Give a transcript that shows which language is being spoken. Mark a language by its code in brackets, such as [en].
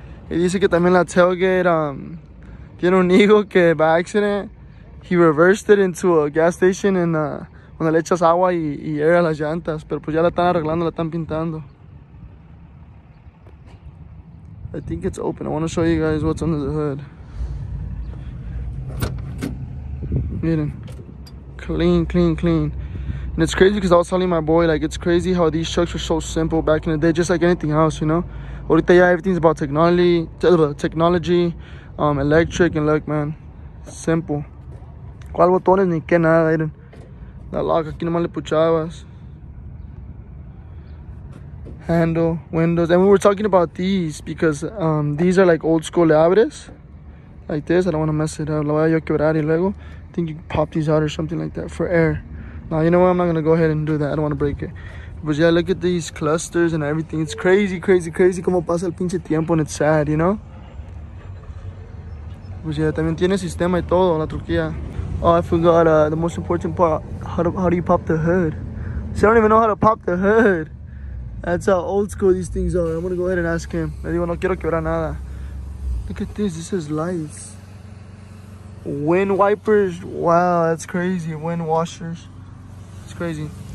[es] Y dice que también la tailgate, tiene un hijo que [en] by accident, he reversed it into a gas station [es] and cuando le echas agua y air a las llantas, pero pues ya la están arreglando, la están pintando. [en] I think it's open. I want to show you guys what's under the hood. Miren, clean, clean, clean. And it's crazy because I was telling my boy, like, it's crazy how these trucks were so simple back in the day, just like anything else, you know? [es] Ahorita ya [en] everything's about technology, electric, and look, man, simple. [es] ¿Cuál botones ni qué nada, Aiden? La lock, aquí nomás le puchabas. [en] Handle, windows, and we were talking about these because these are like old school, [es] le abres, [en] like this. I don't want to mess it up. [es] La voy a yo quebrar y luego, [en] I think you can pop these out or something like that for air. Now, you know what, I'm not going to go ahead and do that. I don't want to break it. But yeah, look at these clusters and everything. It's crazy, crazy, crazy. [es] Como pasa el pinche tiempo, [en] and it's sad, you know? [es] Pues yeah, también tiene sistema y todo, la truquilla. [en] Oh, I forgot the most important part. How do you pop the hood? See, I don't even know how to pop the hood. That's how old school these things are. I'm gonna go ahead and ask him. [es] Le digo, no quiero quebrar nada. [en] Look at this. This is lights. Wind wipers. Wow, that's crazy. Wind washers. It's crazy.